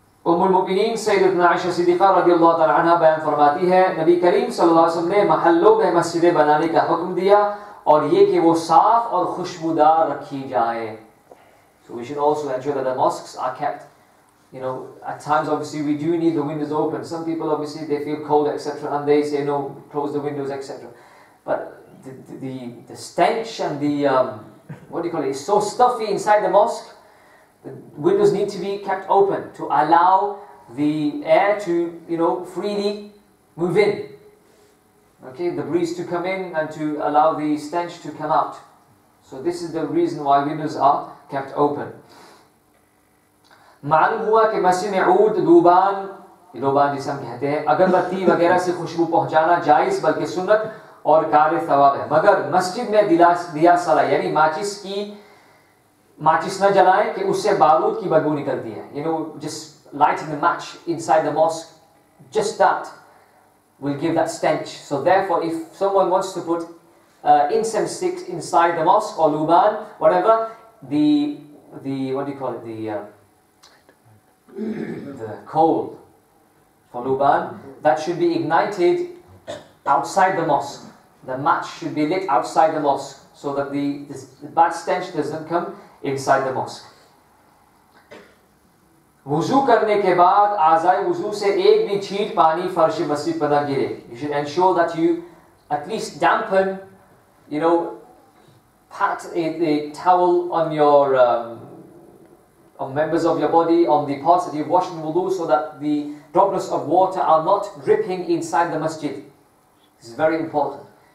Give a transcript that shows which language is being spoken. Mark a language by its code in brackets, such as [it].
[ur] ام المؤمنین سیدتنا عائشہ صدیقہ رضی اللہ تعالی عنہ بیان فرماتی ہے نبی کریم صلی اللہ علیہ وسلم نے محلوں میں مسجدیں بنانے کا حکم دیا اور یہ کہ وہ صاف اور خوشبودار رکھی جائے. [en] So we should also ensure that the mosques are kept. You know, at times obviously we do need the windows open. Some people obviously they feel cold etc. and they say no, close the windows etc. But the stench and the, what do you call it, it's so stuffy inside the mosque. The windows need to be kept open to allow the air to, you know, freely move in. Okay, the breeze to come in and to allow the stench to come out. So this is the reason why windows are kept open. [ur] معلوم ہوا کہ مسجد میں عود، دوبان، یہ دوبان جسے ہم کہتے ہیں، اگربتی وغیرہ سے خوشبو پہنچانا جائز بلکہ سنت اور کار ثواب ہے، مگر مسجد میں دیا سالہ یعنی ماچس کی ماچس نہ جلائیں کہ اس سے بارود کی بدبو نکلتی ہے. [en] You know, just lighting the match inside the mosque, just that will give that stench. So therefore, if someone wants to put incense sticks inside the mosque or luban, whatever, the coal for luban, that should be ignited outside the mosque. The match should be lit outside the mosque so that the bad stench doesn't come inside the mosque. [ur] وضو کرنے کے بعد اعضائے وضو سے ایک بھی چھینٹ پانی فرش مسجد پر نہ گرے. [en] You should ensure that you at least dampen, you know, pat a towel on your on members of your body, on the parts that you've washed in wudu, so that the droplets of water are not dripping inside the masjid. This is very important.